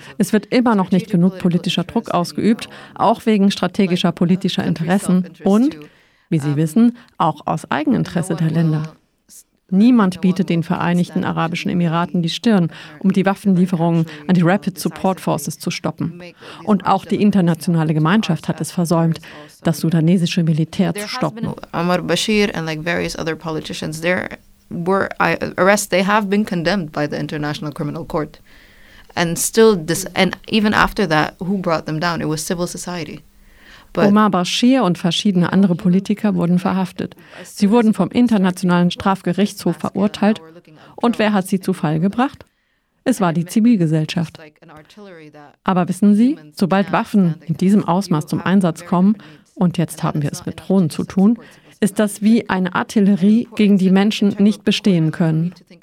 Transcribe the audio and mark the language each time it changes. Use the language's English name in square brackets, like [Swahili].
[German] Es wird immer noch nicht genug politischer Druck ausgeübt, auch wegen strategischer politischer Interessen und, wie Sie wissen, auch aus Eigeninteresse der Länder. Niemand bietet den Vereinigten Arabischen Emiraten die Stirn, um die Waffenlieferungen an die Rapid Support Forces zu stoppen. Und auch die internationale Gemeinschaft hat es versäumt, das sudanesische Militär zu stoppen. [English] Omar Bashir and like various other politicians there were arrested. They have been condemned by the International Criminal Court, and still this. And even after that, who brought them down? It was civil society. [German] But Omar Bashir und verschiedene andere Politiker wurden verhaftet. Sie wurden vom Internationalen Strafgerichtshof verurteilt. Und wer hat sie zu Fall gebracht? Es war die Zivilgesellschaft. Aber wissen Sie, sobald Waffen in diesem Ausmaß zum Einsatz kommen, und jetzt haben wir es mit Drohnen zu tun, ist das wie eine Artillerie, gegen die Menschen nicht bestehen können.